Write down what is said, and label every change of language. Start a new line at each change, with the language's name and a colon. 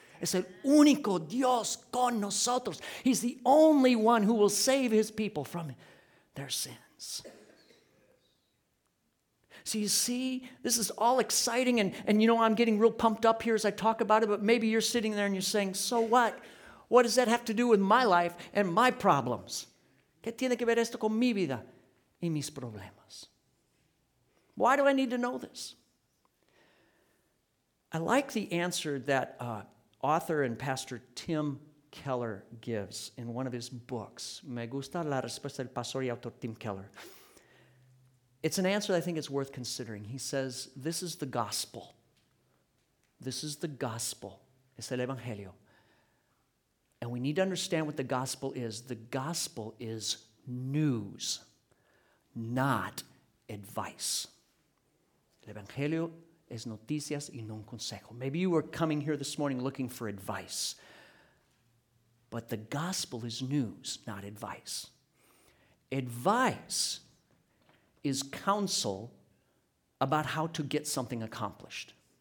Spanish: Es el único Dios con nosotros.
English: He's the only one who will save his people from their sins. So you see, this is all exciting, and you know, I'm getting real pumped up here as I talk about it, but maybe you're sitting there and you're saying, so what? What does that have to do with my life and my problems?
Spanish: ¿Qué tiene que ver esto con mi vida y mis problemas?
English: Why do I need to know this? I like the answer that author and pastor Tim Keller gives in one of his books.
Spanish: Me gusta la respuesta del pastor y autor Tim Keller.
English: It's an answer that I think is worth considering. He says, this is the gospel. This is the gospel.
Spanish: Es el evangelio.
English: And we need to understand what the gospel is. The gospel is news, not advice.
Spanish: El evangelio es noticias y no un consejo.
English: Maybe you were coming here this morning looking for advice. But the gospel is news, not advice. Advice is counsel about how to get something accomplished.